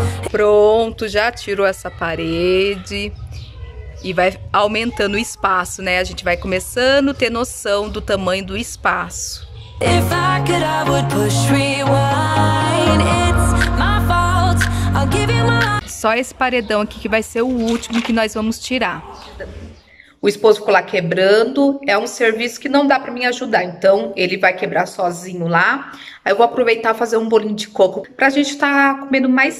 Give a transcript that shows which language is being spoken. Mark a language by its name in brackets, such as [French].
[Portuguese] Pronto, já tirou essa parede e vai aumentando o espaço, né? A gente vai começando a ter noção do tamanho do espaço. [English] If I could, I would push rewind. It's my fault. I'll give you my... [Portuguese] Só esse paredão aqui que vai ser o último que nós vamos tirar. O esposo ficou lá quebrando, é um serviço que não dá para me ajudar, então ele vai quebrar sozinho lá. Aí eu vou aproveitar fazer um bolinho de coco para a gente estar comendo mais